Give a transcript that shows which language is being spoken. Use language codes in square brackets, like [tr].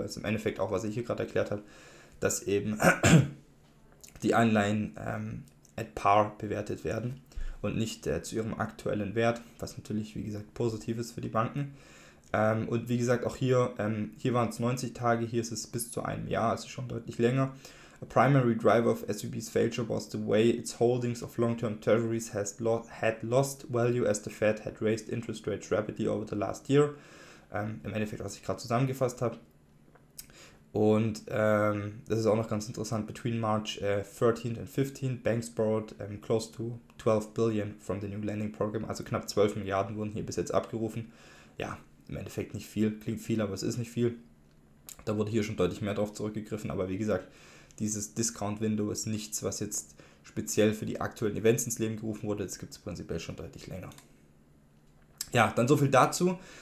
[de] Also im Endeffekt auch, was ich hier gerade erklärt habe, dass eben die Anleihen at par bewertet werden und nicht zu ihrem aktuellen Wert, was natürlich, wie gesagt, positiv ist für die Banken. Und wie gesagt, auch hier, hier waren es 90 Tage, hier ist es bis zu einem Jahr, also schon deutlich länger. [en] A primary driver of SVB's failure was the way its holdings of long-term treasuries had lost value as the Fed had raised interest rates rapidly over the last year. [de] Im Endeffekt, was ich gerade zusammengefasst habe. Und das ist auch noch ganz interessant. [en] Between March 13th and 15th, banks borrowed close to 12 billion from the new lending program. [de] Also knapp 12 Milliarden wurden hier bis jetzt abgerufen. Ja, im Endeffekt nicht viel. Klingt viel, aber es ist nicht viel. Da wurde hier schon deutlich mehr drauf zurückgegriffen. Aber wie gesagt, dieses Discount-Window ist nichts, was jetzt speziell für die aktuellen Events ins Leben gerufen wurde. Das gibt es prinzipiell schon deutlich länger. Ja, dann so viel dazu.